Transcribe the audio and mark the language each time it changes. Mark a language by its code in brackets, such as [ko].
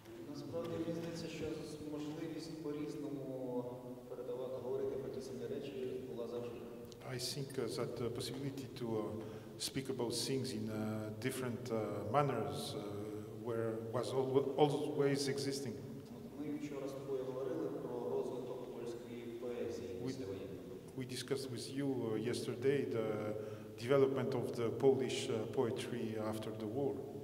[uk] Насправді, мені здається, що можливість по-різному передавати, говорити про ті самі речі була завжди. [en] I think that the possibility to speak about things in different manners was always existing. [uk] Ми вчора з тобою говорили про розвиток польської поезії. [en] We discussed with you yesterday the development of the Polish poetry after the war.